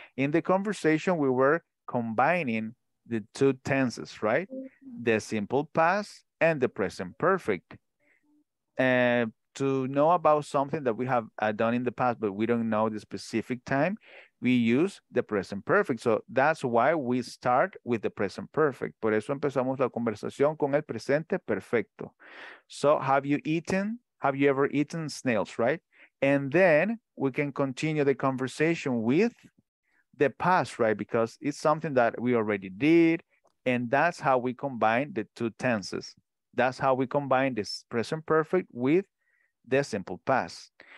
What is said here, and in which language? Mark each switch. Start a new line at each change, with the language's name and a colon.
English: In the conversation, we were combining the two tenses, right? The simple past and the present perfect. To know about something that we have done in the past, but we don't know the specific time, we use the present perfect. So that's why we start with the present perfect.
Spanish: Por eso empezamos la conversación con el presente perfecto.
English: So have you ever eaten snails, right? And then we can continue the conversation with the past, right? Because it's something that we already did. And that's how we combine the two tenses. That's how we combine this present perfect with the simple past.